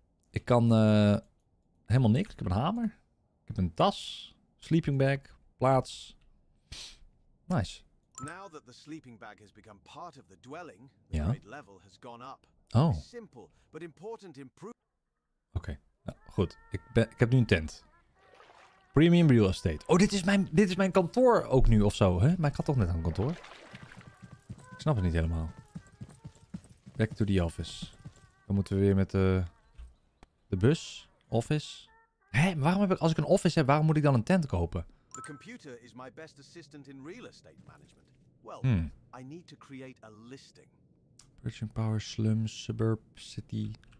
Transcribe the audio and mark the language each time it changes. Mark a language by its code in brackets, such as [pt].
[nl] Ik kan helemaal niks. Ik heb een hamer. Ik heb een tas. [en] Sleeping bag. [nl] Plaats. Nice. [en] Now that the sleeping bag has become part of the dwelling, the [nl] ja. [en] Grade level has gone up. Oh. Simple, but important improvement. [nl] Oké. Okay. Ja, goed. Ik heb nu een tent. [en] Premium real estate. [nl] Oh, dit is mijn kantoor ook nu of zo. Hè? Maar ik had toch net een kantoor? Ik snap het niet helemaal. [en] Back to the office. [nl] Dan moeten we weer met de bus, office. Hé, maar waarom heb ik, als ik een office heb, waarom moet ik dan een tent kopen? [en] The computer is my best assistant in real estate management. Well, I need to create a listing. Purchasing power, slum, suburb, city.